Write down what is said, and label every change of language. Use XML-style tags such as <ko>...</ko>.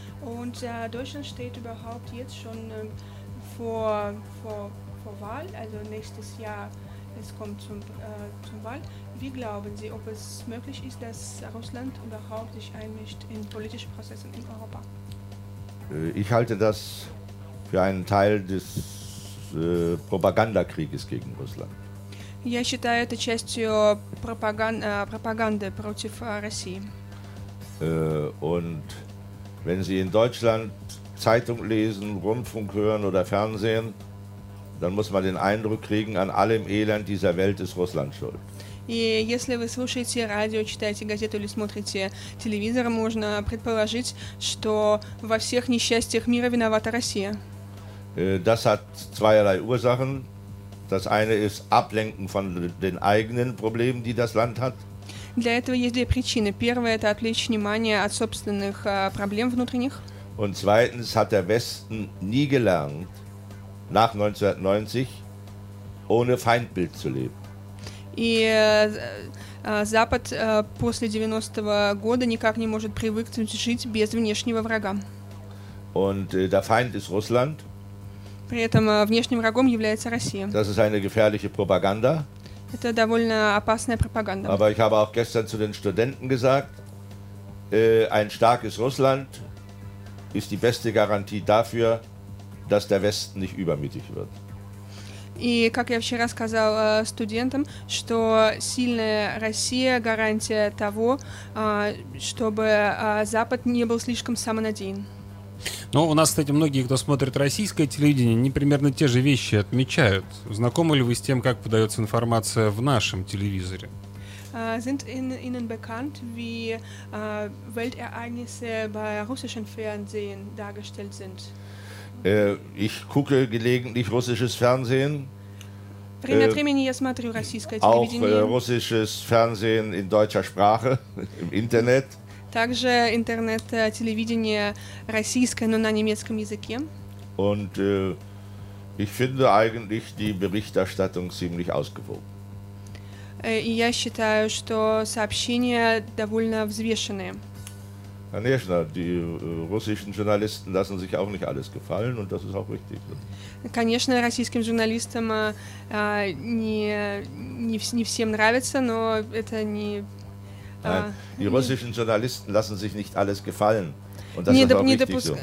<de>Und Deutschland steht überhaupt jetzt schon vor Wahl, also nächstes Jahr es kommt zum Wahl. Wie glauben Sie, ob es möglich ist, dass Russland überhaupt sich einmischt in politische Prozesse in Europa? Ich halte das für einen Teil des Propagandakrieges gegen Russland.</de> <ru>Я считаю это частью пропаганды против России.</ru> <de>Und wenn Sie in Deutschland Zeitung lesen, Rundfunk hören oder Fernsehen, dann muss man den Eindruck kriegen, an allem Elend dieser Welt ist Russland schuld.</de> <ru>И если вы слушаете радио, читаете газету или смотрите телевизор, можно предположить, что во всех несчастьях мира виновата Россия.</ru> <de>Das hat zweierlei Ursachen. Das eine ist Ablenken von den eigenen Problemen, die das Land hat.</de> <ru>Для этого есть две причины. Первое – это отвлечь внимание от собственных проблем внутренних.</ru> <de>Und zweitens hat der Westen nie gelernt, nach 1990 ohne Feindbild zu leben.</de> <ru>И Запад после 90-го года никак не может привыкнуть жить без внешнего врага.</ru> <de>Und der Feind ist Russland.</de> <ru>При этом внешним врагом является Россия.</ru> <de>Das ist eine gefährliche Propaganda.</de> <ru>Это довольно опасная пропаганда.</ru> <de>Aber ich habe auch gestern zu den Studenten gesagt, ein starkes Russland ist die beste Garantie dafür, dass der Westen nicht übermütig wird.</de> <ru>И как я вчера сказал студентам, что сильная Россия гарантия того, чтобы Запад не был слишком самонадеян. Ну, у нас, кстати, многие, кто смотрит российское телевидение, они примерно те же вещи отмечают. Знакомы ли вы с тем, как подается информация в нашем телевизоре?</ru> <de>Sind Ihnen bekannt, wie Weltereignisse bei russischem Fernsehen dargestellt sind? Ich gucke gelegentlich russisches Fernsehen.</de> <ru>Время от времени я смотрю российское телевидение.</ru> <de>Auch russisches Fernsehen in deutscher Sprache, im Internet.</de> <ru>Также интернет-телевидение российское, но на немецком языке.</ru> <de>Und ich finde eigentlich die Berichterstattung ziemlich ausgewogen.</de> <ru>И я считаю, что сообщения довольно взвешенные. Конечно,</ru> <de>die russischen Journalisten lassen sich auch nicht alles gefallen, und das ist auch richtig.</de> <ru>Конечно, российским журналистам не всем нравится, но это не...</ru> <de>Nein, die russischen Journalisten lassen sich nicht alles gefallen, und das ist auch richtig so.</de>